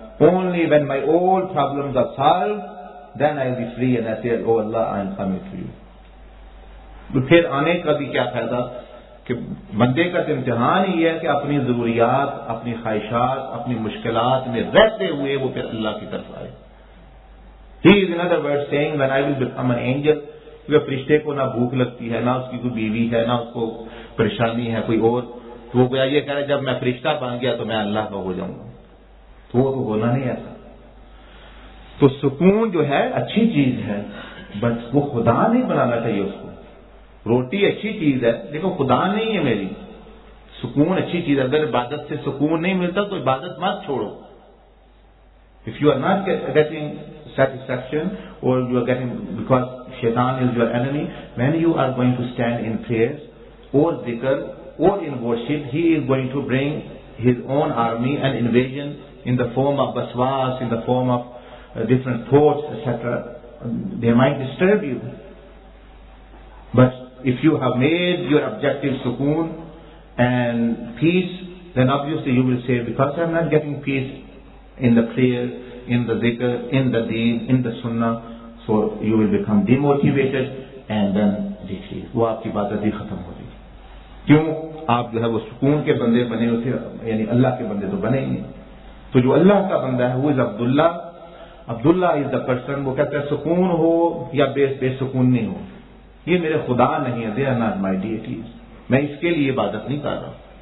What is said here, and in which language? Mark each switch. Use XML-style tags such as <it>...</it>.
<en>Only when my old problems are solved, then I will be free and I say, oh Allah, I am coming to you. But then</en> <ur>aane ka bhi kya fayda? بندے کا تو امتحان ہی ہے کہ اپنی ضروریات, اپنی خواہشات, اپنی مشکلات میں رہتے ہوئے وہ پھر اللہ کی طرف آئے.</ur> <en>He is in other words saying when I will become an angel,</en> <ur>کیونکہ فرشتے کو نہ بھوک لگتی ہے, نہ اس کی کوئی بیوی ہے, نہ اس کو پریشانی ہے کوئی اور, تو وہ گویا یہ کہہ رہا ہے جب میں فرشتہ بن گیا تو میں اللہ کا ہو جاؤں گا. تو وہ تو ہونا نہیں ایسا. تو سکون جو ہے اچھی چیز ہے, بس وہ خدا نہیں بنانا چاہیے اس کو. روٹی اچھی چیز ہے لیکن خدا نہیں ہے میری. سکون اچھی چیز ہے, اگر عبادت سے سکون نہیں ملتا تو عبادت مت چھوڑو.</ur> <en>If you are not getting satisfaction or you are getting because شیطان is your enemy, when you are going to stand in prayers or ذکر or in worship, he is going to bring his own army and invasion in the form of waswas, in the form of different thoughts etc. They might disturb you. But if you have made your objective sukoon and peace, then obviously you will say, because I am not getting peace in the prayer, in the zikr, in the deen, in the sunnah, so you will become demotivated and then decrease.</en> <ur>وہ آپ کی عبادت ہی ختم ہو جائے. کیوں؟ آپ جو ہے وہ سکون کے بندے بنے ہوئے تھے, یعنی اللہ کے بندے تو بنے ہی نہیں. تو جو اللہ کا بندہ ہے وہ</ur> <en>Is Abdullah, Abdullah is the person.</en> <ur>وہ کہتے ہیں سکون ہو یا بے سکون نہیں ہو, یہ میرے خدا نہیں ہے,</ur> <en>they are not my deities,</en> <ur>میں اس کے لیے عبادت نہیں کر رہا.</ur>